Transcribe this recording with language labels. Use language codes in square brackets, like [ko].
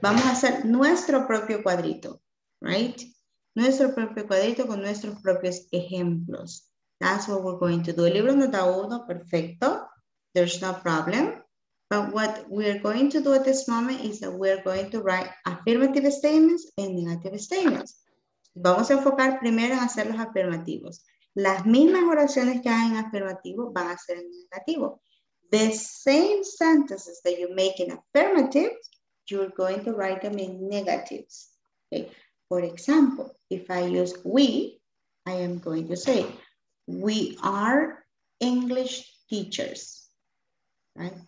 [es] Vamos a hacer nuestro propio cuadrito, right? Nuestro propio cuadrito con nuestros propios ejemplos. [en] That's what we're going to do. [es] El libro nos da uno, perfecto. [en] There's no problem. But what we're going to do at this moment is that we're going to write affirmative statements and negative statements. [es] Vamos a enfocar primero en hacer los afirmativos. Las mismas oraciones que hay en afirmativo van a ser en negativo. [en] The same sentences that you make in affirmative, you're going to write them in negatives. Okay. For example, if I use we, I am going to say, we are English teachers, right?